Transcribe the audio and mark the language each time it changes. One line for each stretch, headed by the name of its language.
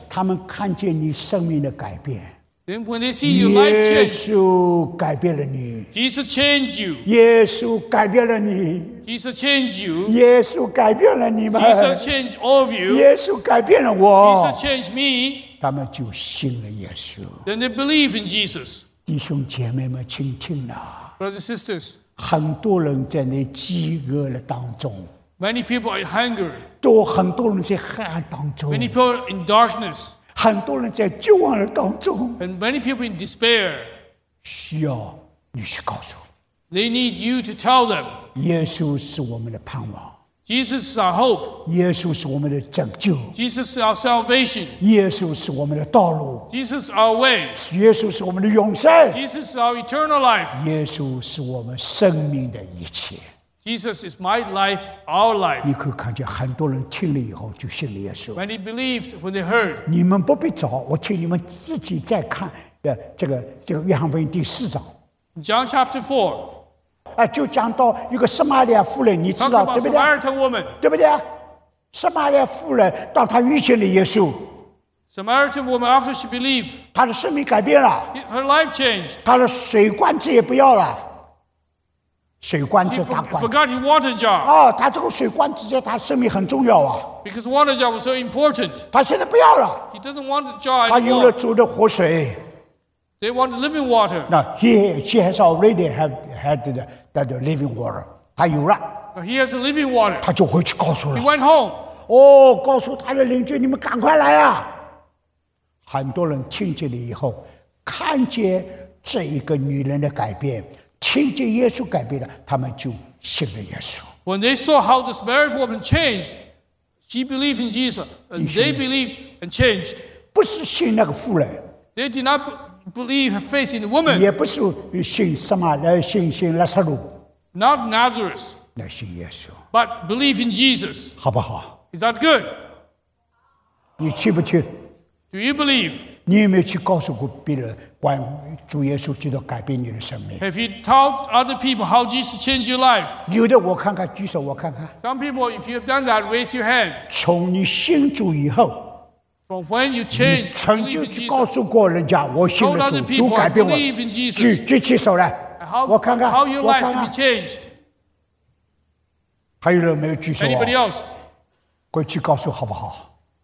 Chinese: 他们看见你生命的改变。
English: Then when they see your life change,
Chinese: 耶稣改变了你。
English: Jesus changed you.
Chinese: 耶稣改变了你。
English: Jesus changed you.
Chinese: 耶稣改变了你们。
English: Jesus changed all of you.
Chinese: 耶稣改变了我。
English: Jesus changed me.
Chinese: 他们就信了耶稣。
English: Then they believe in Jesus.
Chinese: 弟兄姐妹们，请听呐。
English: Brothers and sisters,
Chinese: 很多人在那饥饿的当中。
English: Many people are hungry.
Chinese: 都很多人在黑暗当中。
English: Many people are in darkness.
Chinese: 很多人在绝望的当中
English: ，and many people in despair，
Chinese: 需要你去告诉。
English: They need you to tell them。
Chinese: 耶稣是我们的盼望
English: ，Jesus is our hope。
Chinese: 耶稣是我们的拯救
English: ，Jesus is our salvation。
Chinese: 耶稣是我们的道路
English: ，Jesus is our way。
Chinese: 耶稣是我们的永生
English: ，Jesus is our eternal life。
Chinese: 耶稣是我们生命的一切。
English: Jesus is my life, our life.
Chinese: 你可以看见很多人听了以后就信了耶稣。
English: When they believed, when they heard.
Chinese: 你们不必找，我请你们自己再看的这个约翰福音第四章。
English: John chapter 4.
Chinese: 啊，就讲到一个撒玛利亚妇人，你知道对不对
English: ？Samaritan woman.
Chinese: 对不对？撒玛利亚妇人，当她遇见了耶稣。
English: Samaritan woman, after she believed.
Chinese: 她的生命改变了。
English: Her life changed.
Chinese: 她的水罐子也不要了。水罐子大罐子
English: forgot his water jar.
Chinese: 哦，他这个水罐子在他生命很重要啊。
English: Because water jar was so important.
Chinese: 他现在不要了。
English: He doesn't want the jar.
Chinese: 他有了主的活水。
English: They want living water. No, she has already had the living water.
Chinese: 他有了。
English: He has living water.
Chinese: 他就回去告诉了。
English: He went home.
Chinese: 哦，告诉他的邻居，你们赶快来啊！很多人听见了以后，看见这一个女人的改变。听见耶稣改变了，他们就信了耶稣。
English: When they saw how the Samaritan woman changed, she believed in Jesus, and they believed and changed.
Chinese: 不是信那个妇人。
English: They did not believe her faith in the woman.
Chinese: 也不是信什么，信拉撒路。
English: Not Nazareth.
Chinese: 乃信耶稣。
English: But believe in Jesus.
Chinese: 好不好
English: ？Is that good?
Chinese: 你去不去
English: ？Do you believe?
Chinese: 你有没有去告诉过别人关于主耶稣基督改变你的生命
English: ？Have you taught other people how Jesus changed your life？
Chinese: 有的，我看看，举手，我看看。
English: Some people, if you have done that, raise your hand。
Chinese: 从你信主以后
English: ，From when you change，
Chinese: 你曾经去告诉过人家，我信了主，主改变我。举起手来，我看看，
English: how your life can be changed。
Chinese: 还有人没有举手
English: ？Anybody else？
Chinese: 回去告诉好不好